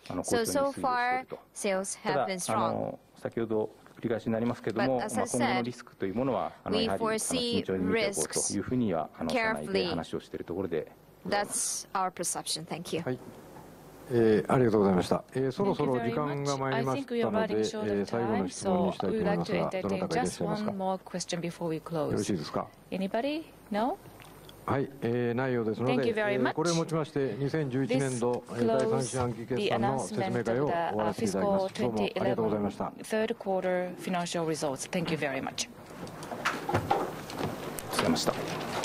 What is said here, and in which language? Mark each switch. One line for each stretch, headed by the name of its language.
English: So far, sales have been strong. But as I said, we foresee risks carefully. That's our perception. Thank you.
Japanese: ありがとうございました。そろそろ時間が参りましたので、最後の質問にしたいと思いますが、どなたかいらっしゃいますか。よろしいですか。
English: Anybody? No?
Japanese: はい、ないようですので、これをもちまして2011年度第三四半期決算の説明会を終わらせていただきます。どうもありがとうございました。
English: Third quarter financial results. Thank you very much.
Japanese: ありがとうございました。